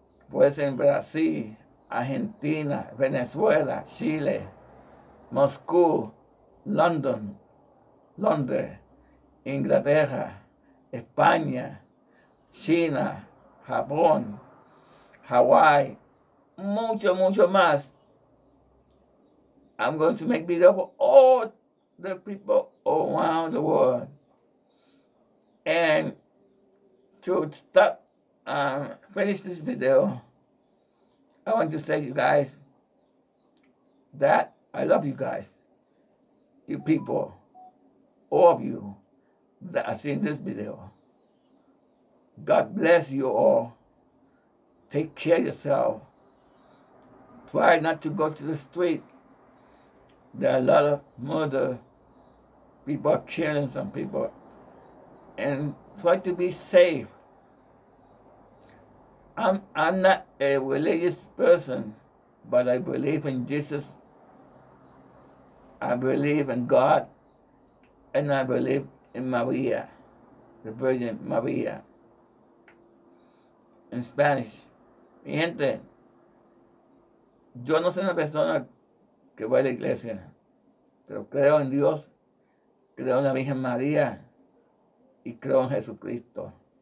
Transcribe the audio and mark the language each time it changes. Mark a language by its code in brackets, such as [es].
[es] Puede ser en Brasil, Argentina, Venezuela, Chile, Moscú, London, Londres, Inglaterra, España, China, Japón, Hawaii, mucho, mucho más. [en] I'm going to make videos for all the people around the world. And to stop, finish this video, I want to say to you guys that I love you guys, you people, all of you that are seeing this video. God bless you all. Take care of yourself. Try not to go to the street. There are a lot of murder. People are killing some people. And try to be safe. I'm not a religious person, but I believe in Jesus. I believe in God, and I believe in Maria, the Virgin Maria. In Spanish, [es] mi gente, yo no soy una persona que va a la iglesia, pero creo en Dios, creo en la Virgen María, y creo en Jesucristo.